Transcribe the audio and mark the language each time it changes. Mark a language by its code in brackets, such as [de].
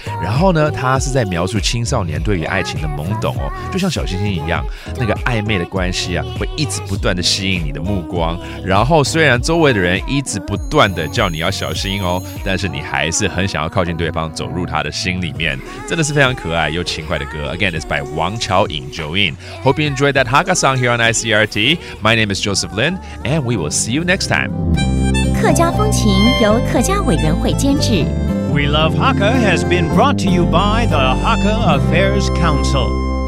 [zh] 然后呢，他是在描述青少年对于爱情的懵懂哦，就像小星星一样，那个暧昧的关系啊，会一直不断的吸引你的目光。然后虽然周围的人一直不断的叫你要小心哦，但是你还是很想要靠近对方，走入他的心里面，真的是非常可爱又轻快的歌。 [en] Again, it's by 王喬尹 Joey. Hope you enjoyed that Hakka song here on ICRT. My name is Joseph Lin, and we will see you next time. [zh] 客家风情由客家委员会监制。 [en] We Love Hakka has been brought to you by the Hakka Affairs Council.